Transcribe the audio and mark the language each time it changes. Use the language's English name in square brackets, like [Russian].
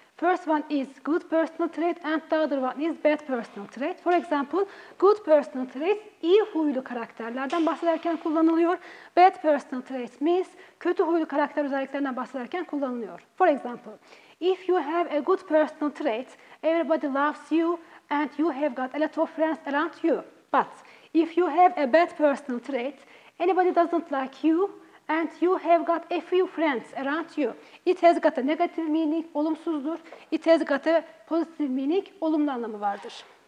[English] First one is good personal trait and the other one is bad personal trait. For example, good personal trait [Turkish] iyi huylu karakterlerden bahsederken kullanılıyor. [English] Bad personal trait means [Turkish] kötü huylu karakter özelliklerinden bahsederken kullanılıyor. [English] For example, if you have a good personal trait, everybody loves you and you have got a lot of friends around you. But if you have a bad personal trait, anybody doesn't like you. And you have got a few friends around you. It has got a negative meaning, [Turkish] olumsuzdur. [English] It has got a positive meaning, [Turkish] olumlu anlamı vardır.